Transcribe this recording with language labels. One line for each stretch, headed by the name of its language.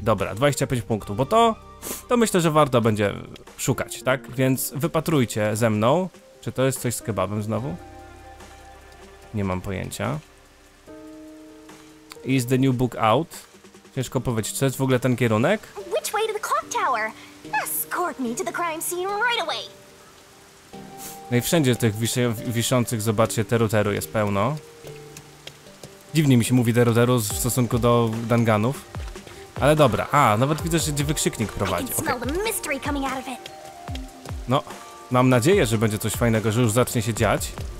Polish: Dobra, 25 punktów, bo to myślę, że warto będzie szukać, tak? Więc wypatrujcie ze mną. Czy to jest coś z kebabem znowu? Nie mam pojęcia.
English: Is the new book out?
Polish: Ciężko powiedzieć, czy to jest w ogóle ten kierunek?
English: Which way to the clock tower? Escort me to the crime scene right away.
Polish: No i wszędzie tych wiszących, zobaczcie, teru teru jest pełno. Dziwnie mi się mówi deroderu w stosunku do danganów. Ale dobra. A, nawet widzę, że wykrzyknik prowadzi.
English: Okay.
Polish: No, mam nadzieję, że będzie coś fajnego, że już zacznie się dziać.